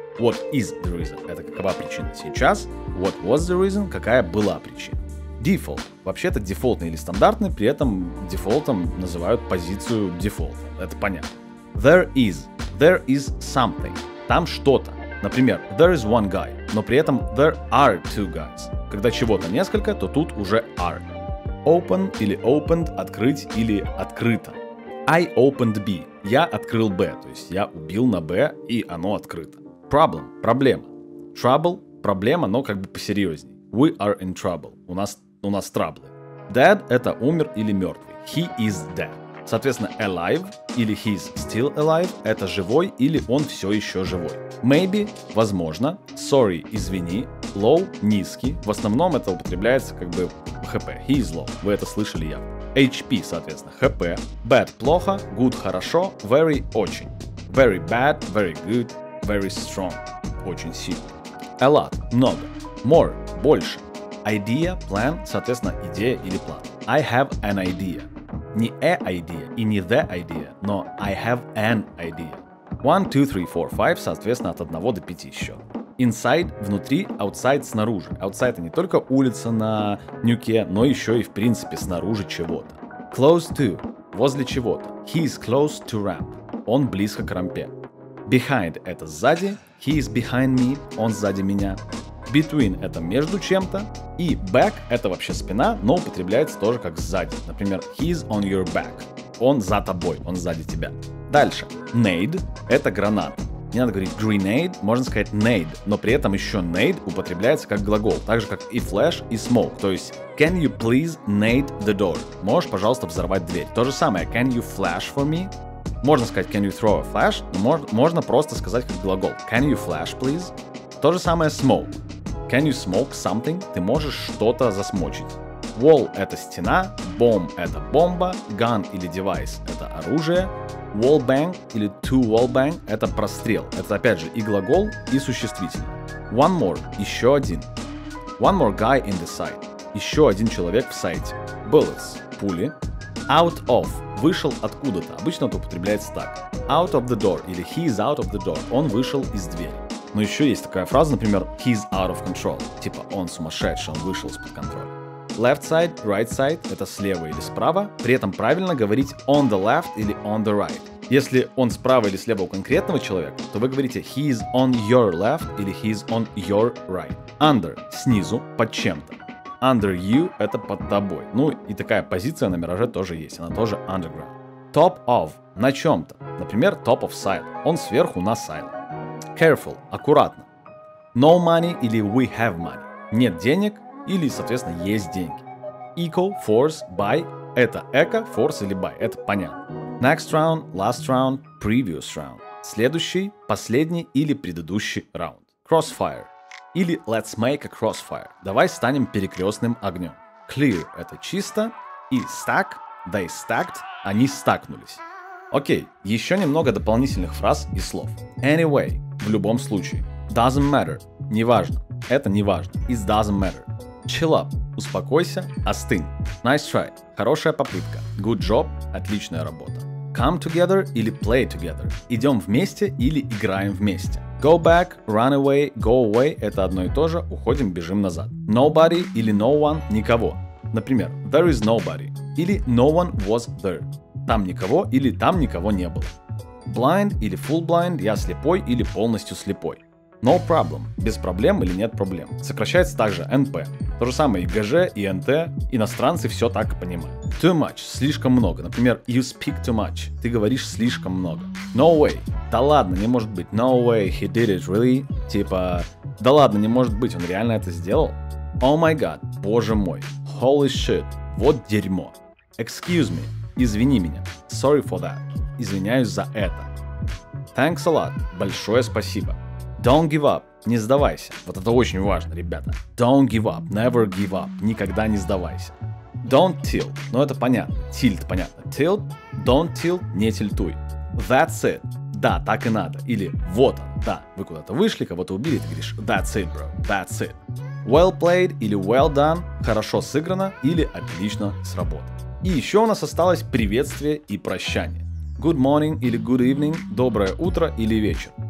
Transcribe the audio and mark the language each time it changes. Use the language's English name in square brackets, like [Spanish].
[English] What is the reason? [Russian] Это какова причина сейчас? [English] What was the reason? [Russian] Какая была причина? [English] Default. [Russian] Вообще-то дефолтный или стандартный, при этом дефолтом называют позицию дефолта. Это понятно. There is. [English] There is something. [Russian] Там что-то. [English] Например, there is one guy. Но при этом there are two guys. [Russian] Когда чего-то несколько, то тут уже are. Open или opened – открыть или открыто. [English] I opened B. [Russian] Я открыл B, то есть я убил на B, и оно открыто. Problem – проблема. Trouble – проблема, но как бы посерьезней. [English] We are in trouble. [Russian] У нас траблы. Dead – это умер или мертвый. [English] He is dead. [Russian] Соответственно, alive или [English] he's still alive [Russian] – это живой или он все еще живой. Maybe – возможно. Sorry – извини. Low – низкий. В основном это употребляется как бы HP. [English] He is low. [Russian] Вы это слышали явно. HP, соответственно, HP. Bad – плохо. Good – хорошо. Very – очень. [English] Very bad, very good, very strong. [Russian] Очень сильно. A lot – много. More – больше. Idea – plan, соответственно, идея или план. [English] I have an idea. [Russian] Не a idea и не the idea, но [English] I have an idea. [Russian] 1, 2, 3, 4, 5, соответственно, от 1 до 5 еще. Inside – внутри, outside – снаружи. Outside – это не только улица на нюке, но еще и, в принципе, снаружи чего-то. Close to – возле чего-то. [English] He is close to ramp. [Russian] Он близко к рампе. Behind – это сзади. [English] He is behind me. [Russian] Он сзади меня. Between – это между чем-то. И back – это вообще спина, но употребляется тоже как сзади. [English] Например, he is on your back. [Russian] Он за тобой, он сзади тебя. Дальше. Nade – это граната. Не надо говорить grenade, можно сказать nade, но при этом еще nade употребляется как глагол, так же как и flash, и smoke, то есть [English] can you please nade the door? [Russian] Можешь, пожалуйста, взорвать дверь. То же самое, [English] can you flash for me? [Russian] Можно сказать [English] can you throw a flash, [Russian] но можно просто сказать как глагол, [English] can you flash please? [Russian] То же самое [English] smoke, can you smoke something? [Russian] Ты можешь что-то засмочить. Wall – это стена, bomb – это бомба, gun или device – это оружие. Wall bang или to wall bang – это прострел. Это опять же и глагол, и существительное. One more – еще один. [English] One more guy in the sight – [Russian] еще один человек в сайте. Bullets – пули. Out of – вышел откуда-то. Обычно это употребляется так. [English] Out of the door или he is out of the door – [Russian] он вышел из двери. Но еще есть такая фраза, например, [English] he's out of control. [Russian] Типа он сумасшедший, он вышел из-под контроля. Left side, right side – это слева или справа. При этом правильно говорить [English] on the left [Russian] или [English] on the right. [Russian] Если он справа или слева у конкретного человека, то вы говорите [English] he is on your left [Russian] или [English] he is on your right. [Russian] Under – снизу, под чем-то. Under you – это под тобой. Ну и такая позиция на мираже тоже есть, она тоже underground. Top of – на чем-то. [English] Например, top of side. [Russian] Он сверху на side. Careful – аккуратно. [English] No money или we have money. [Russian] Нет денег. Или, соответственно, есть деньги. [English] Eco, force, buy. [Russian] Это эко, force или buy. Это понятно. [English] Next round, last round, previous round. [Russian] Следующий, последний или предыдущий раунд. [English] Crossfire. Или let's make a crossfire. [Russian] Давай станем перекрестным огнем. Clear – это чисто. И stack, they stacked, они стакнулись. Окей, еще немного дополнительных фраз и слов. Anyway – в любом случае. Doesn't matter – неважно. Это неважно. [English] It doesn't matter. [Russian] Chill up – успокойся, остынь. Nice try – хорошая попытка. Good job – отличная работа. Come together или play together – идем вместе или играем вместе. Go back, run away, go away – это одно и то же, уходим, бежим назад. Nobody или no one – никого. Например, [English] there is nobody [Russian] или [English] no one was there. [Russian] Там никого или там никого не было. Blind или full blind – я слепой или полностью слепой. No problem – без проблем или нет проблем. Сокращается также NP. То же самое и ГЖ, и НТ. Иностранцы все так понимают. Too much – слишком много. Например, [English] you speak too much [Russian] – ты говоришь слишком много. No way – да ладно, не может быть. [English] No way, he did it, really? [Russian] Типа, да ладно, не может быть, он реально это сделал? Oh my god – боже мой. Holy shit – вот дерьмо. Excuse me – извини меня. Sorry for that – извиняюсь за это. Thanks a lot – большое спасибо. Don't give up, не сдавайся. Вот это очень важно, ребята. Don't give up, [English] never give up, [Russian] никогда не сдавайся. Don't tilt, ну это понятно, tilt, понятно. Tilt, don't tilt, не тильтуй. That's it, да, так и надо. Или вот он, да, вы куда-то вышли, кого-то убили, ты говоришь, [English] that's it, bro, that's it. [Russian] Well played или well done, хорошо сыграно или отлично сработано. И еще у нас осталось приветствие и прощание. Good morning или good evening, доброе утро или вечер.